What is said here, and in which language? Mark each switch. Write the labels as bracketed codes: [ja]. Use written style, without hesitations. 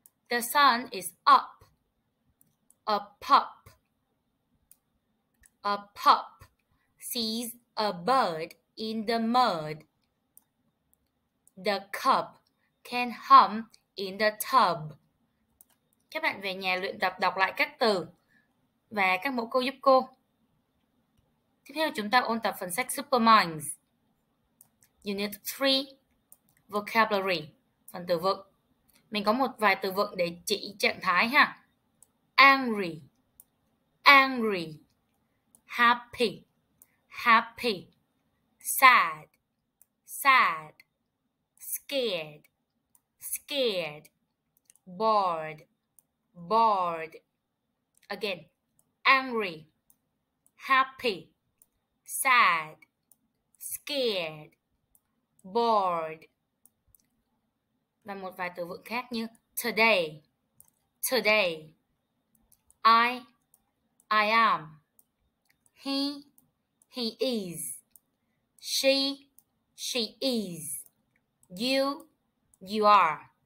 [en] The sun is up. A pup. A pup sees a bird in the mud. The cup can hum in the tub. [vi] Các bạn về nhà luyện tập đọc lại các từ và các mẫu câu giúp cô. Tiếp theo chúng ta ôn tập phần sách Superminds. [en] Unit 3, Vocabulary, [vi] phần từ vựng. Mình có một vài từ vựng để chỉ trạng thái ha. [en] Angry, angry. Happy, happy. Sad, sad. Scared, scared. Bored, bored. Again, angry, happy, sad, scared, bored. [vi] Và một vài từ vựng khác như [en] today, today. I am. He is. She is. You are.